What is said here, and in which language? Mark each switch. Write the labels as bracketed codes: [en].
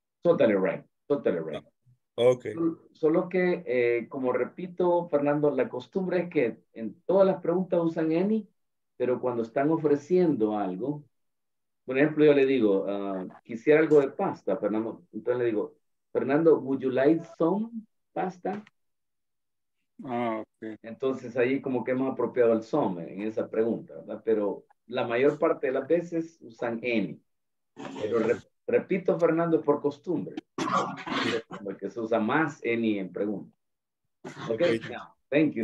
[en] Totally right. Okay. [es] Solo que, como repito, Fernando, la costumbre es que en todas las preguntas usan any, pero cuando están ofreciendo algo, por ejemplo, yo le digo, quisiera algo de pasta, Fernando. Entonces le digo, [en] Fernando, would you like some pasta? Ah, okay. [es] Entonces ahí como que hemos apropiado el some en esa pregunta, ¿verdad? Pero la mayor parte de las veces usan any. Pero repito, Fernando, por costumbre, porque se usa más any en pregunta. [en] Okay. No, thank you.